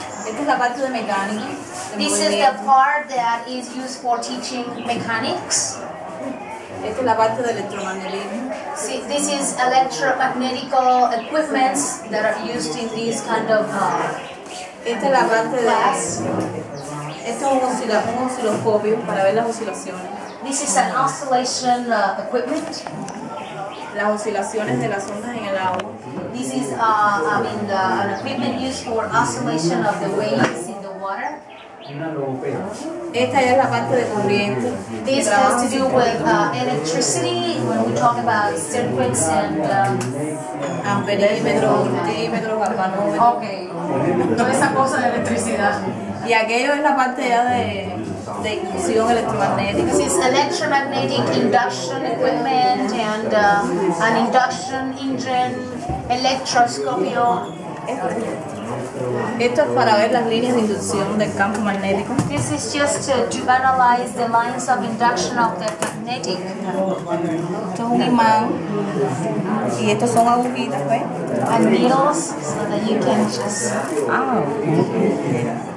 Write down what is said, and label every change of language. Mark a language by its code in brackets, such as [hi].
[es] Esta es la parte de mecánica. [en] This is the part that is used for teaching mechanics. [es] Esta es la parte de electromagnetismo. [en] See, this is electromagnetic equipment that are used in this kind of [es] esta es la parte [en] class. [es] Esto es un osciloscopio para ver las oscilaciones. [en] This is an oscillation equipment. [es] Las oscilaciones de las ondas en el agua. [en] This is an equipment used for oscillation of the waves in the water. [es] Esta es la parte de corriente. [en] This has to do with electricity when we talk about circuits and [es] amperímetros, voltímetros, galvanómetros. Okay. Toda esa cosa de electricidad. Y aquello es la parte ya de inducción electromagnética. [en] This is electromagnetic induction equipment and an induction engine. [es] electroscopio. Esto es para ver las líneas de inducción del campo magnético. [en] This is just to analyze the lines of induction of the magnetic. [es] Esto es un imán. Y estos son agujitas, ¿ves? [en] And needles, so that you can just... Ah, okay.